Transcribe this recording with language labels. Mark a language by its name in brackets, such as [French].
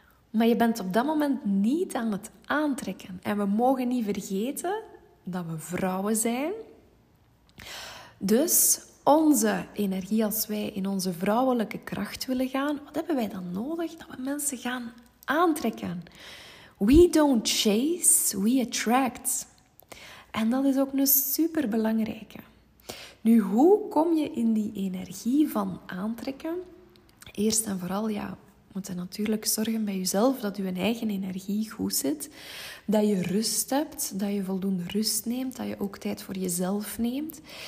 [Dutch] Maar je bent op dat moment niet aan het aantrekken. En we mogen niet vergeten dat we vrouwen zijn. Dus onze energie, als wij in onze vrouwelijke kracht willen gaan, wat hebben wij dan nodig? Dat we mensen gaan aantrekken. [English] We don't chase, we attract. [Dutch] En dat is ook een superbelangrijke. Nu, hoe kom je in die energie van aantrekken? Eerst en vooral, ja, je moet natuurlijk zorgen bij jezelf dat je eigen energie goed zit. Dat je rust hebt, dat je voldoende rust neemt, dat je ook tijd voor jezelf neemt.